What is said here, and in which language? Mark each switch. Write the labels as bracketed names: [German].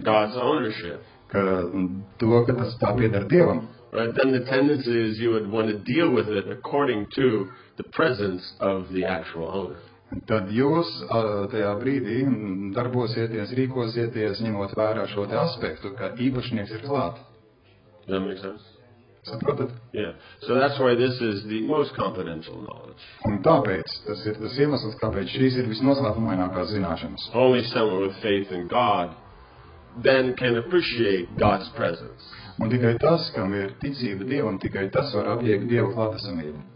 [English] God's ownership, [Latvian] ka tas tā pieder Dievam, [English] right, then the tendency is you would want to deal with it according to the presence of the actual owner. [Latvian] Tad jūs tajā brīdī darbosieties, rīkosieties, ņemot vērā šo te aspektu, ka īpašnieks ir klāt. [English] Does that make sense? [Latvian] Saprotat? [English] Yeah. So that's why this is the most confidential knowledge. [Latvian] Un tāpēc, tas ir tas iemesls, kāpēc šīs ir visnoslēpumainākās zināšanas. [English] Only someone with faith in God then can appreciate God's presence. [Latvian] Un tikai tas, kam ir ticība Dievam, tikai tas var apjēgt Dievu klātesamību.